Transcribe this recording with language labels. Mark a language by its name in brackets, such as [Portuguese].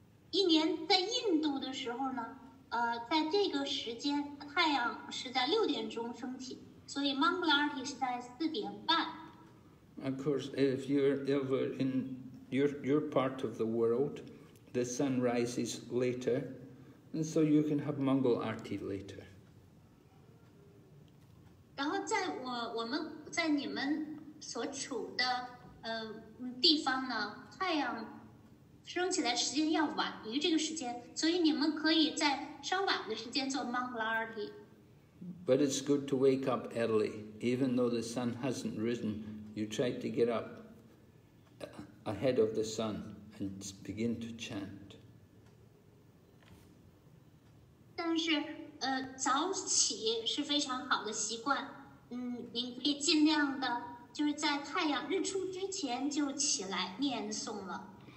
[Chinese] 一年在印度的时候呢，在这个时间，太阳是在6点钟升起，所以 Mangal Arti 是在4:30. [English] Of course, if you're ever in your part of the world, the sun rises later. And so you can have Mangal Arti later. [Chinese] 然后在我们在你们所处的地方呢，太阳升起来时间要晚于这个时间，所以你们可以在稍晚的时间做 Mangal Arti. [English] But it's good to wake up early, even though the sun hasn't risen. You try to get up ahead of the sun and begin to chant. [Chinese] 但是早起是非常好的习惯，您可以尽量的就是在太阳日出之前就起来念诵了。